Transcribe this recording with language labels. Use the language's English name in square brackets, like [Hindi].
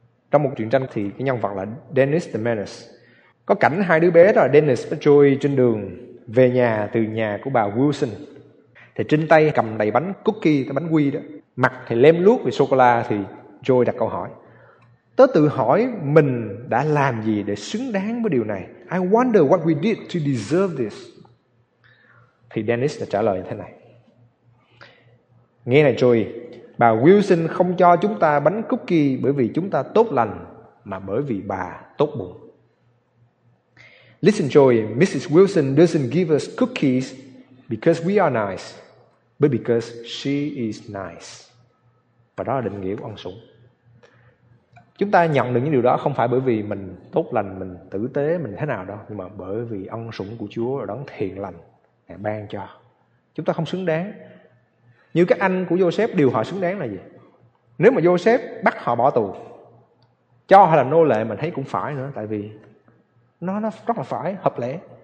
[Vietnamese] Trong một truyện tranh thì cái nhân vật là Dennis the Menace. Có cảnh hai đứa bé đó là Dennis và Joy trên đường về nhà từ nhà của bà Wilson. Thì trên tay cầm đầy bánh cookie, cái bánh quy đó. Mặt thì lem luốc vì sô-cô-la, thì Joy đặt câu hỏi. Tớ tự hỏi mình đã làm gì để xứng đáng với điều này. [English] I wonder what we did to deserve this. [Vietnamese] Thì Dennis đã trả lời như thế này. Nghe này Joy, bà Wilson không cho chúng ta bánh cookie bởi vì chúng ta tốt lành, mà bởi vì bà tốt bụng. [English] Listen Joy, Mrs. Wilson doesn't give us cookies because we are nice, but because she is nice. [Vietnamese] Và đó là định nghĩa của ân sủng. Chúng ta nhận được những điều đó không phải bởi vì mình tốt lành, mình tử tế, mình thế nào đâu, nhưng mà bởi vì ân sủng của Chúa là đấng thiện lành Ngài ban cho. Chúng ta không xứng đáng. Như các anh của Joseph, điều họ xứng đáng là gì? Nếu mà Joseph bắt họ bỏ tù, cho họ làm nô lệ, mình thấy cũng phải nữa, tại vì nó rất là phải, hợp lẽ.